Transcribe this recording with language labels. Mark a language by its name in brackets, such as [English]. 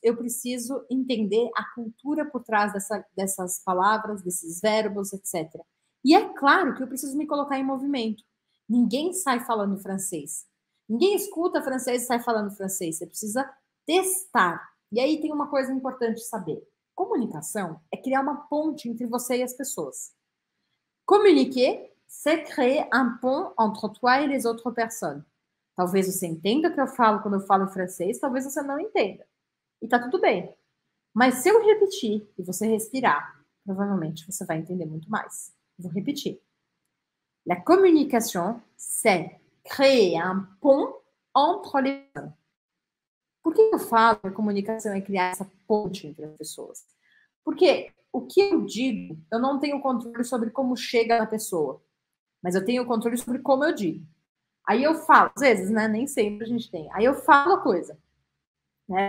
[Portuguese] Eu preciso entender a cultura por trás dessas palavras, desses verbos, etc. E é claro que eu preciso me colocar em movimento. Ninguém sai falando francês. Ninguém escuta francês e sai falando francês. Você precisa testar. E aí tem uma coisa importante saber. Comunicação é criar uma ponte entre você e as pessoas. [French] Communiquer, c'est créer un pont entre toi et les autres personnes. [Portuguese] Talvez você entenda o que eu falo quando eu falo em francês, talvez você não entenda. E tá tudo bem. Mas se eu repetir e você respirar, provavelmente você vai entender muito mais. Vou repetir. [French] La communication, c'est créer un pont entre les personnes. [Portuguese] Por que eu falo que a comunicação é criar essa ponte entre as pessoas? Porque o que eu digo, eu não tenho controle sobre como chega na pessoa, mas eu tenho controle sobre como eu digo. Aí eu falo, às vezes, né? Nem sempre a gente tem. Aí eu falo a coisa, né?